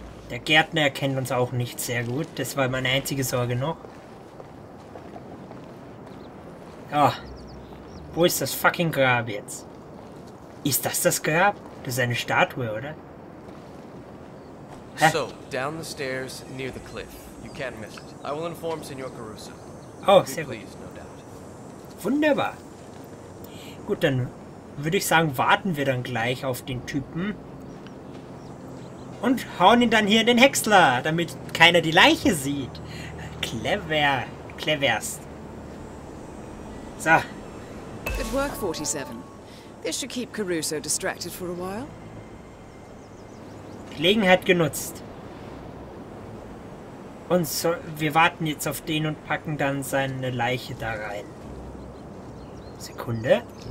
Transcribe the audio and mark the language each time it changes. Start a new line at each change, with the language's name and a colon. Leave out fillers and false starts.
German: Der Gärtner erkennt uns auch nicht sehr gut. Das war meine einzige Sorge noch. Oh, wo ist das fucking Grab jetzt? Ist das das Grab? Das ist eine Statue, oder?
English: So, down the stairs near the cliff. You can't miss it. I will inform Senor Caruso.
German: Oh, sehr gut.
English: No doubt.
German: Wunderbar. Gut, dann würde ich sagen, warten wir dann gleich auf den Typen. Und hauen ihn dann hier in den Häcksler, damit keiner die Leiche sieht. Clever. Cleverst. So.
English: Good work, 47. This should keep Caruso distracted for a while.
German: Gelegenheit genutzt. Und so, wir warten jetzt auf den und packen dann seine Leiche da rein. Sekunde.